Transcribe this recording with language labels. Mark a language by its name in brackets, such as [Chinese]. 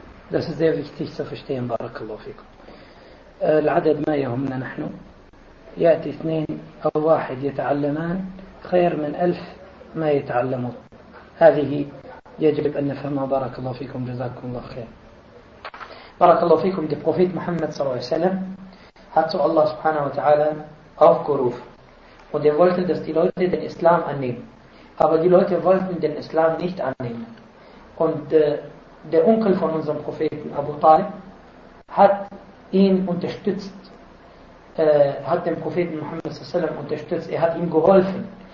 [German] Das ist sehr wichtig zu verstehen, barakallahu fikum. [Arabic] العدد ما يهمنا نحن. يأتي اثنين أو واحد يتعلمان خير من ألف ما يتعلمون. هذه يجب أن نفهمها, barakallahu fikum, جزاكم الله خير. [German] Barakallahu fikum, der Prophet Muhammad sallallahu alaihi wasallam hat zu Allah subhanahu wa ta'ala aufgerufen. Und er wollte, dass die Leute den Islam annehmen. Aber die Leute wollten den Islam nicht annehmen. Und der Onkel von unserem Propheten, Abu Talib, hat ihn unterstützt, hat den Propheten Muhammad sallallahu alaihi wasallam unterstützt, er hat ihm geholfen.